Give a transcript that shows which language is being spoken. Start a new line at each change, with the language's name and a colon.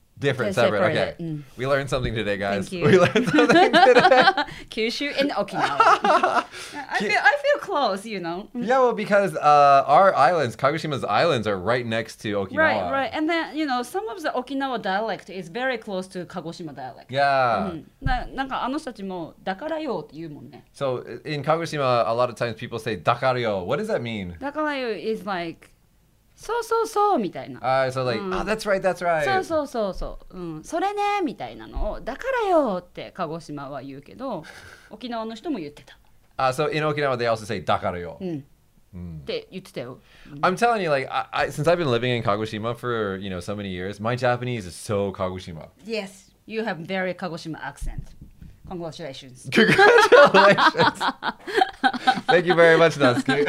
English: Different, separate, okay. Mm. We learned something today, guys. Thank you. We learned something today. Kyushu and Okinawa. I feel close, you know. Yeah, well, because our islands, Kagoshima's islands, are right next to Okinawa. Right, right. And then, you know, some of the Okinawa dialect is very close to Kagoshima dialect. Yeah.
Japanese: なんかあの人たちもだからよって言うもんね。
English: So in Kagoshima, a lot of times people say だからよ.What does that mean? だからよ is like...
Japanese: そうそうそうみたいな。
English: So like, ah,、that's right, that's right.
Japanese: そうそうそうそう。それねみたいなのをだからよって鹿児島は言うけど、沖縄の人も言ってた。
English: So in Okinawa, they also say だからよ。
Japanese: って言ってたよ。
English: I'm telling you, like, I, since I've been living in Kagoshima for, you know, so many years, my Japanese is so Kagoshima. Yes, you have very Kagoshima accent. Congratulations. Congratulations. Thank you very much, Natsuki.